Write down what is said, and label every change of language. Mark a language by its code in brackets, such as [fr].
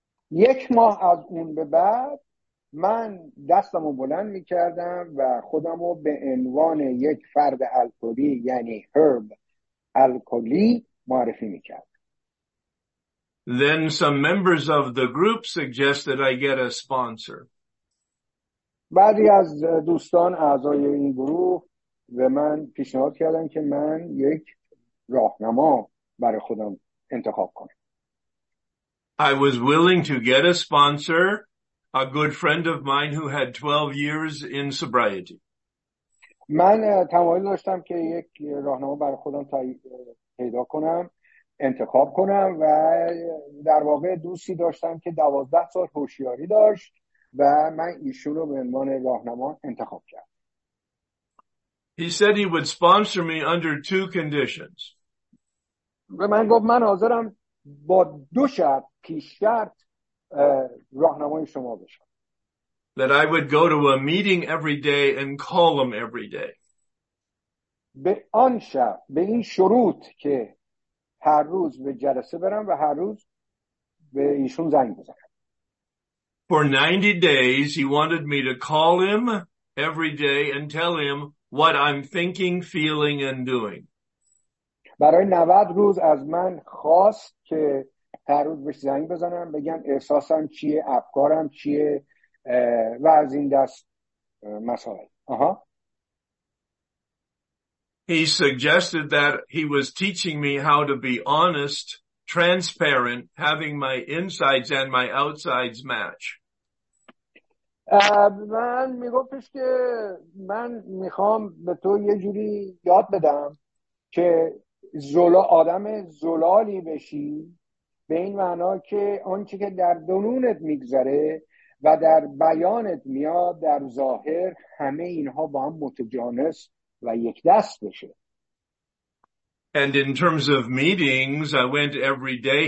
[fa] یک ماه از اون به بعد من دستمو بلند می‌کردم و خودمو به عنوان یک فرد الکلی یعنی Herb الکلی معرفی می‌کردم. [en] Then some members of the group suggested I get a sponsor. [fa] بعضی از دوستان اعضای این گروه و من پیشنهاد کردم که من یک راهنما برای خودم انتخاب کنم. [en] I was willing to get a sponsor, a good friend of mine who had 12 years in sobriety. [fa] من تمایل داشتم که یک راهنما برای خودم پیدا کنم، انتخاب کنم و در واقع دوستی داشتم که 12 سال هوشیاری داشت و من ایشون رو به عنوان راهنما انتخاب کردم. [en] He said he would sponsor me under two conditions. [fa] من گفت من حاضرم با دو شرط پیش شرط راهنمای شما بشم. [en] That I would go to a meeting every day and call him every day. [fa] به آن شرط به این شروط که هر روز به جلسه برم و هر روز به ایشون زنگ بزنم. [en] For 90 days he wanted me to call him every day and tell him what I'm thinking, feeling, and doing. [fa] برای 90 روز از من خواست که هر روز بهش زنگ بزنم بگم احساسم چیه، افکارم چیه و از این دست مسائل. [en] He suggested that he was teaching me how to be honest, transparent, having my insides and my outsides match. [fa] من میگفتش که من میخوام به تو یه جوری یاد بدم که آدم زلالی بشی به این معنا که آنچه که در درونت میگذره و در بیانت میاد در ظاهر همه اینها با هم متجانس و یک دست بشه. [en] And in terms of meetings, I went every day.